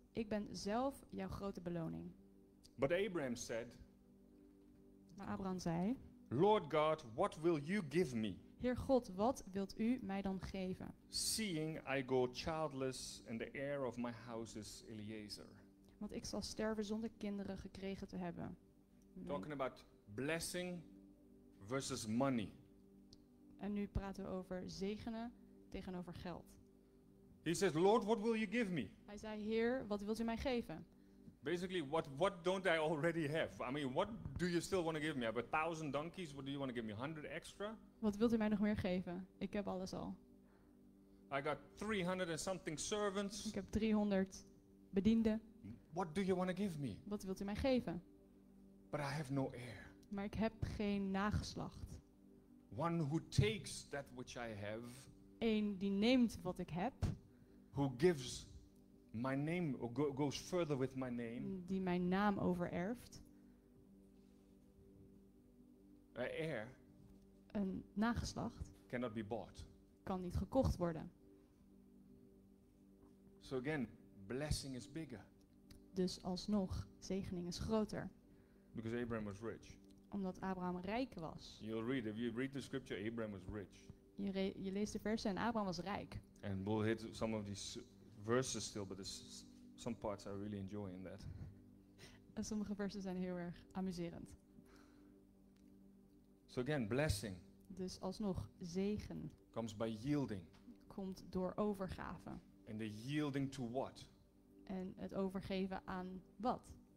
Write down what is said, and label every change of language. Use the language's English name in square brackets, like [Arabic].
[Dutch] Ik ben zelf jouw grote beloning. [English] But Abraham said. [Dutch] Maar Abraham zei. [English] Lord God, what will you give me? [Dutch] Heer God, wat wilt u mij dan geven? [English] Seeing I go childless and the heir of my house is Eliezer. [Dutch] Want ik zal sterven zonder kinderen gekregen te hebben. [English] Talking about blessing versus money. [Dutch] En nu praten we over zegenen. Tegenover geld. [English] He says, Lord, what will you give me? [Dutch] Hij zei, Heer, wat wilt u mij geven? [English] Basically, what don't I already have? I mean, what do you still want to give me? I have 1,000 donkeys. What do you want to give me? 100 extra? [Dutch] Wat wilt u mij nog meer geven? Ik heb alles al. [English] I got 300 and something servants. [Dutch] Ik heb 300 bedienden. [English] What do you want to give me? [Dutch] Wat wilt u mij geven? [English] But I have no heir. [Dutch] Maar ik heb geen nageslacht. [English] One who takes that which I have. [Dutch] Eén die neemt wat ik heb. [English] Who gives my name or goes further with my name. [Dutch] Die mijn naam overerft. [English] A heir. [Dutch] Een nageslacht. [English] Cannot be bought. [Dutch] Kan niet gekocht worden. [English] So again, blessing is bigger. [Dutch] Dus alsnog, zegening is groter. [English] Because Abraham was rich. [Dutch] omdat Abraham rijk was. [English] You'll read, if you read the scripture, Abraham was rich. [Dutch] Je leest de versen en Abraham was rijk. [English] And we'll hit some of these verses still, but there's some parts I really enjoy in that. [Dutch] En sommige versen zijn heel erg amuserend. [English] So again, blessing. [Dutch] Dus alsnog zegen. [English] Comes by yielding. [Dutch] Komt door overgave. [English] And the yielding to what? [Dutch] En het overgeven aan wat?